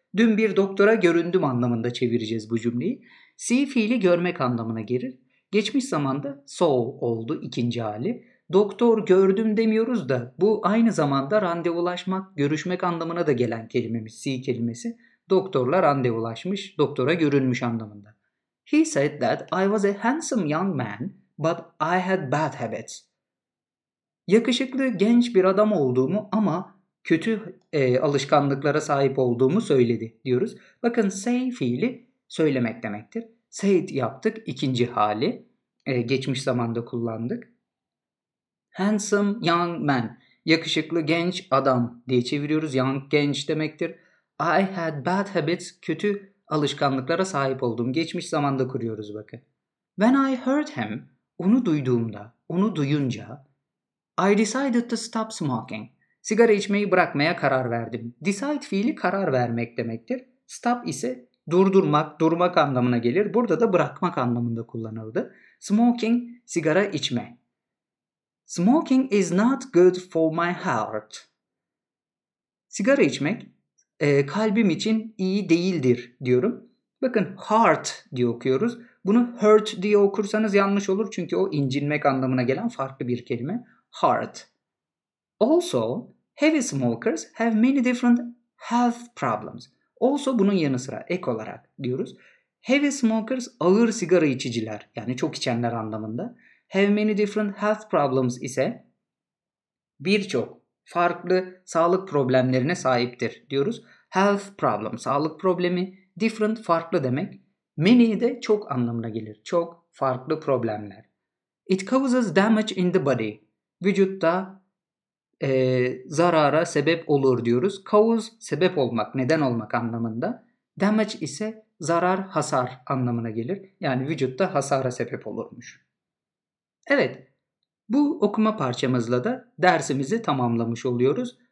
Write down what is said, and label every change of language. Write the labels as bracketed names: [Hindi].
[Turkish] Dün bir doktora göründüm anlamında çevireceğiz bu cümleyi. See fiili görmek anlamına gelir. Geçmiş zamanda saw oldu ikinci hali. Doktor gördüm demiyoruz da bu aynı zamanda randevulaşmak, görüşmek anlamına da gelen kelimemiz. See kelimesi doktorla randevulaşmış, doktora görünmüş anlamında. [English] He said that I was a handsome young man but I had bad habits. [Turkish] Yakışıklı genç bir adam olduğumu ama kötü alışkanlıklara sahip olduğumu söyledi diyoruz. Bakın say fiili söylemek demektir. Said yaptık ikinci hali. Geçmiş zamanda kullandık. [English] Handsome young man. [Turkish] Yakışıklı genç adam diye çeviriyoruz. Young genç demektir. [English] I had bad habits. [Turkish] Kötü alışkanlıklara sahip olduğum. Geçmiş zamanda kuruyoruz bakın. [English] When I heard him, [Turkish] onu duyduğumda, onu duyunca, [English] I decided to stop smoking. [Turkish] Sigara içmeyi bırakmaya karar verdim. Decide fiili karar vermek demektir. Stop ise durdurmak, durmak anlamına gelir. Burada da bırakmak anlamında kullanıldı. Smoking, sigara içme. [English] Smoking is not good for my heart. [Turkish] Sigara içmek kalbim için iyi değildir diyorum. Bakın heart diye okuyoruz. Bunu hurt diye okursanız yanlış olur çünkü o incinmek anlamına gelen farklı bir kelime. [English] Heart. Also, heavy smokers have many different health problems. [Turkish] Also, bunun yanı sıra, ek olarak diyoruz. [English] Heavy smokers, [Turkish] ağır sigara içiciler, yani çok içenler anlamında. [English] Have many different health problems [Turkish] ise, birçok farklı sağlık problemlerine sahiptir diyoruz. [English] Health problem, [Turkish] sağlık problemi, different, farklı demek. Many de çok anlamına gelir. Çok farklı problemler. [English] It causes damage in the body. [Turkish] Vücutta zarara sebep olur diyoruz. Cause, sebep olmak, neden olmak anlamında. Damage ise zarar, hasar anlamına gelir. Yani vücutta hasara sebep olurmuş. Evet, bu okuma parçamızla da dersimizi tamamlamış oluyoruz.